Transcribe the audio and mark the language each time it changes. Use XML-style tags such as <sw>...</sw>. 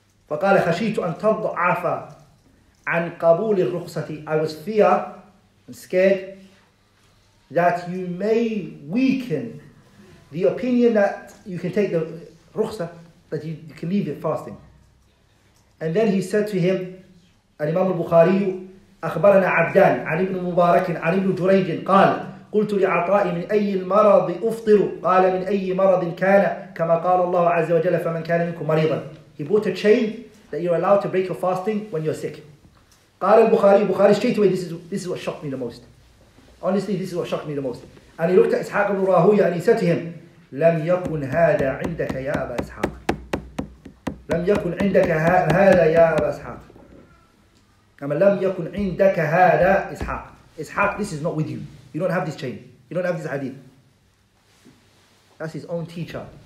<ar>فقال خشيت أن تضعف عن قبول الرخصة.</ar> <en>I was fear and scared that you may weaken the opinion that you can take the rukhsa, that you can leave it fasting. And then he said to him, Al-Imam al-Bukhari,</en> <ar>أخبرنا عبدان عن ابن مبارك عن ابن جريج قال قلت لعطاء من أي المرض أفطر قال من أي مرض كان كما قال الله عز وجل فمن كان منكم مريضا</ar> <en>He brought a chain that you're allowed to break your fasting when you're sick. Qala al-Bukhari, Bukhari straight away, this is what shocked me the most. Honestly, this is what shocked me the most. And he looked at Ishaq ibn Rahuya and he said to him,</en> <ar>لَمْ يَكُنْ هَذَا عِنْدَكَ يَا أَبَا إِسْحَاقَ لَمْ يَكُنْ عِنْدَكَ هَذَا يَا أَبَا إِسْحَاقَ كَمَا لَمْ يَكُنْ عِنْدَكَ هَذَا إِسْحَاقَ إِسْحَاق,</ar> <en>this is not with you. You don't have this chain. You don't have this hadith. That's his own teacher.</en>